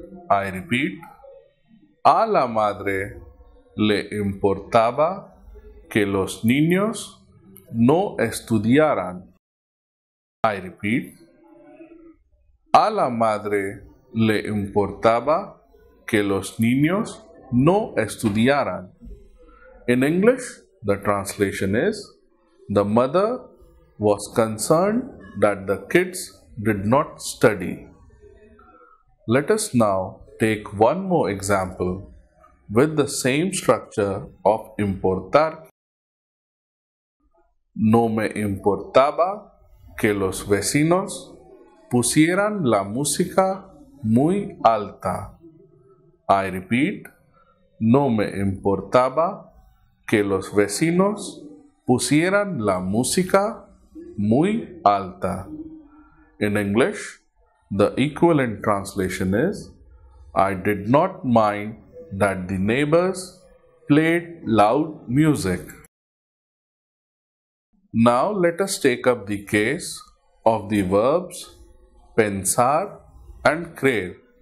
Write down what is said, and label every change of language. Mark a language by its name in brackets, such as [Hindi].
[English] I repeat, [Spanish] a la madre le importaba que los niños no estudiaran. [English] I repeat, [Spanish] a la madre le importaba que los niños no estudiaran. [English] In English, the translation is, the mother was concerned that the kids did not study. Let us now take one more example with the same structure of importar. [Spanish] No me importaba que los vecinos pusieran la música muy alta. [English] I repeat, [Spanish] no me importaba que los vecinos pusieran la música muy alta. [English] In English, the equivalent translation is, I did not mind that the neighbors played loud music. Now let us take up the case of the verbs pensar and creer.